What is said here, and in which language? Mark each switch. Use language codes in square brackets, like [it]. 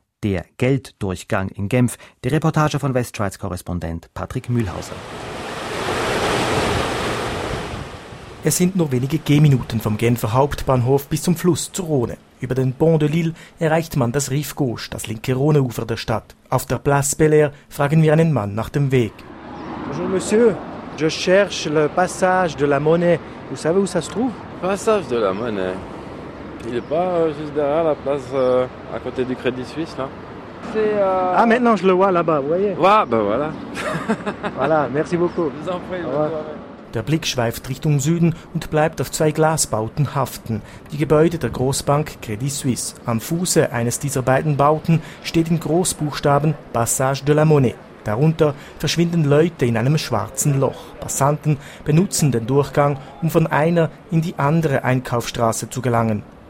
[de] Der Gelddurchgang in Genf. Die Reportage von Westschweiz-Korrespondent Patrick Mühlhauser. Es sind nur wenige Gehminuten vom Genfer Hauptbahnhof bis zum Fluss zur Rhone. Über den Pont de Lille erreicht man das Rive Gauche, das linke Rhoneufer der Stadt. Auf der Place Belair fragen wir einen Mann nach dem Weg. [fr] Bonjour Monsieur, je cherche le passage de la Monnaie. Vous savez où ça se trouve? Passage de la Monnaie. Il est pas juste derrière la place à côté du Crédit Suisse là. Ah maintenant je le vois là-bas, vous voyez? Ouais, ben voilà. Voilà, merci beaucoup. Je vous en prie, au revoir. [de] Der Blick schweift Richtung Süden und bleibt auf zwei Glasbauten haften. Die Gebäude der Grossbank Credit Suisse. Am Fuße eines dieser beiden Bauten steht in Großbuchstaben Passage de la Monnaie. Darunter verschwinden Leute in einem schwarzen Loch. Passanten benutzen den Durchgang, um von einer in die andere Einkaufsstraße zu gelangen.